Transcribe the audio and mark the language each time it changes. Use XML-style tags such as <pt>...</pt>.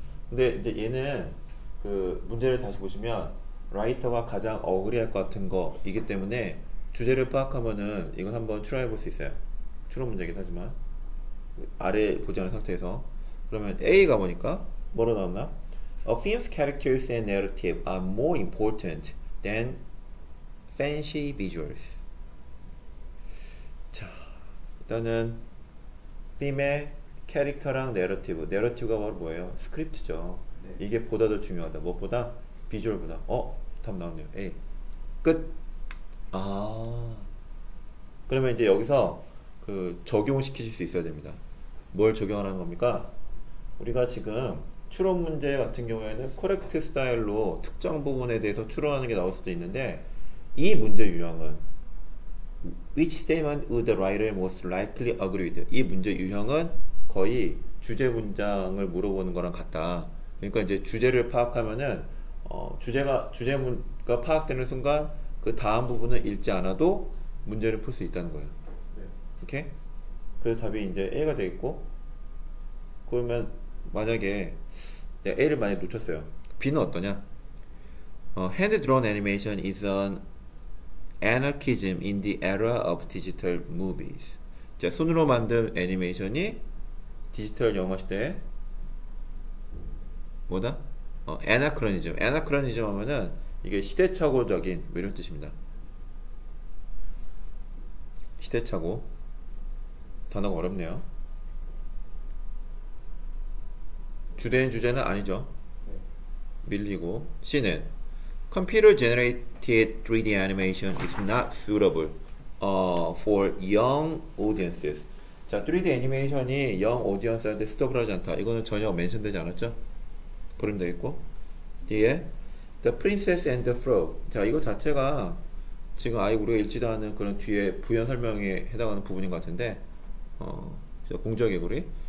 <ko>근데 이제 얘는 그 문제를 다시 보시면 라이터가 가장 어그리할 것 같은 거이기 때문에 주제를 파악하면은 이건 한번 추론해 볼수 있어요. 추론 문제긴 하지만 아래 보지 않은 상태에서 그러면 A가 뭐니까 뭐로 나왔나?</ko> <en>A film's characters and narrative are more important than fancy visuals.</en> <ko>자, 일단은 film의 캐릭터랑 내러티브. 내러티브가 바로 뭐예요? 스크립트죠. 이게 보다 더 중요하다. 무엇보다? 비주얼보다. 답 나왔네요. A. 끝. 아. 그러면 이제 여기서 적용시키실 수 있어야 됩니다. 뭘 적용하라는 겁니까? 우리가 지금 추론 문제 같은 경우에는 코렉트 스타일로 특정 부분에 대해서 추론하는 게 나올 수도 있는데, 이 문제 유형은</ko> <en>Which statement would the writer most likely agree with?</en> <ko>이 문제 유형은 거의 주제 문장을 물어보는 거랑 같다. 그러니까 이제 주제를 파악하면은 주제가 파악되는 순간 그 다음 부분은 읽지 않아도 문제를 풀수 있다는 거예요. 오케이? 그래서 답이 이제 A가 되겠고, 그러면 만약에 내가 A를 만약에 놓쳤어요. B는 어떠냐?</ko> <en>Hand drawn animation is an anarchism in the era of digital movies.</en> <ko>자, 손으로 만든 애니메이션이 디지털 영화 시대에 뭐다? 애나크로니즘. 애나크로니즘 하면은 이게 시대착오적인 이런 뜻입니다. 시대착오. 단어가 어렵네요. 주된 주제는 아니죠. 밀리고.</ko> <en>C는 Computer generated 3D animation is not suitable for young audiences.</en> <ko>자, 3D 애니메이션이 영 오디언스한테 수도블하지 않다. 이거는 전혀 멘션되지 않았죠? 보름되겠고. 뒤에 The Princess and the Frog. 자, 이거 자체가 지금 아예 우리가 읽지도 않은 그런 뒤에 부연 설명에 해당하는 부분인 것 같은데, 공주와 개구리.</ko>